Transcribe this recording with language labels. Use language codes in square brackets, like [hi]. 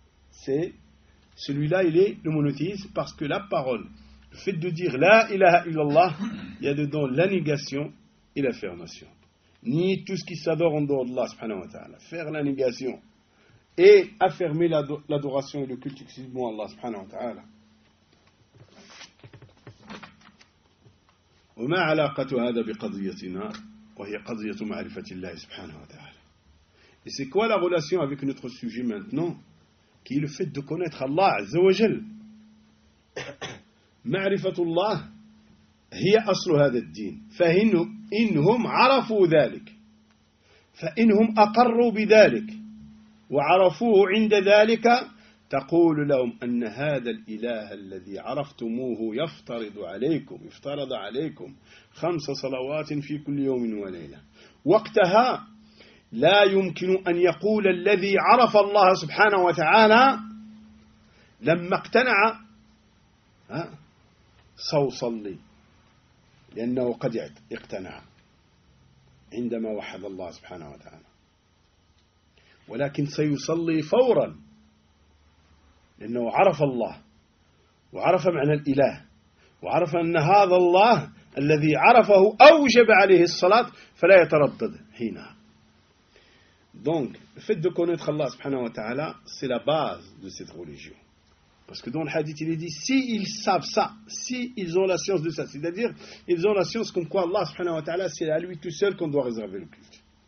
[fr] C'est celui-là, il est le monothéiste parce que la parole, le fait de dire « La ilaha illallah », il y a dedans la négation et l'affirmation. Nier tout ce qui s'adore en dehors de Allah, subhanahu wa ta'ala. Faire la négation et affirmer l'adoration et le culte exclusivement à Allah, subhanahu wa ta'ala. [ar] وما علاقة هذا بقضيتنا وهي قضية معرفة الله سبحانه وتعالى. [fr] Et c'est quoi la relation avec notre sujet maintenant, qui est le fait de connaître Allah عز وجل. [ar] معرفة الله هي أصل هذا الدين. فإنهم عرفوا ذلك. فإنهم أقروا بذلك وعرفوه عند ذلك تقول لهم أن هذا الإله الذي عرفتموه يفترض عليكم خمس صلوات في كل يوم وليلة. وقتها لا يمكن أن يقول الذي عرف الله سبحانه وتعالى لما اقتنع سأصلي، لأنه قد اقتنع عندما وحد الله سبحانه وتعالى، ولكن سيصلي فورا لأنه عرف الله وعرف معنى الإله وعرف أن هذا الله الذي عرفه أوجب عليه الصلاة فلا يتردد حينها. [fr] Donc, le fait de connaître Allah subhanahu wa ta'ala, c'est la base de cette religion. Parce que dans le hadith, il est dit, si ils savent ça, si ils ont la science de ça, c'est-à-dire, ils ont la science comme quoi Allah subhanahu wa ta'ala, c'est à lui tout seul qu'on doit réserver le culte.